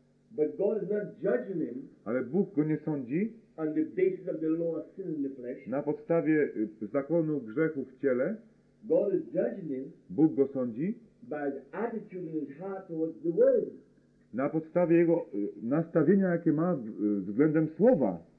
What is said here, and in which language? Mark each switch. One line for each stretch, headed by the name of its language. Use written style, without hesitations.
English: But God is not judging him.
Polish: Ale Bóg go nie sądzi.
English: On the basis of the law of sin in the flesh.
Polish: Na podstawie zakonu grzechu w ciele.
English: God is judging him.
Polish: Bóg go sądzi.
English: By the attitude in his heart towards the word.
Polish: Na podstawie jego nastawienia, jakie ma względem słowa.